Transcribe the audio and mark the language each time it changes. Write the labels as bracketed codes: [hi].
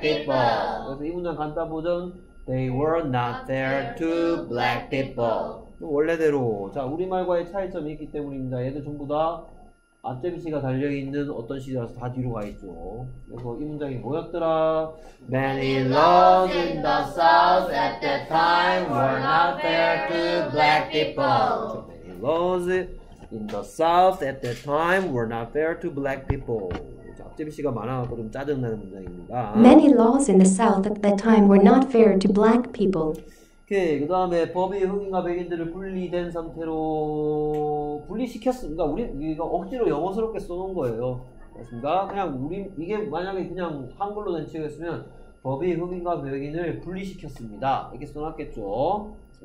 [en] people. people. [ko] 그래서 이 문장 간단 버전. [en] They were not there to to black black people. people. [ko] 원래대로. 자, 우리말과의 차이점이 있기 때문입니다. 얘들 전부 다 앞잡이씨가 달려있는 어떤 시제라서 다 뒤로 가있죠. 그래서 이 문장이 뭐였더라? [en] Many laws in the South at that time were not fair to black people. Many laws in the South at that time were not fair to black people. [ko] 앞잡이씨가 많아가지고 좀 짜증나는 문장입니다. [en] Many laws in the South at that time were not fair to black people. [ko] 오케이. 그 다음에 법이 흑인과 백인들을 분리된 상태로 분리시켰습니다. 우리가 억지로 영어스럽게 써놓은 거예요. 맞습니까? 그냥 이게 만약에 그냥 한글로 된 책이었으면 법이 흑인과 백인을 분리시켰습니다. 이렇게 써놨겠죠. 맞습니까?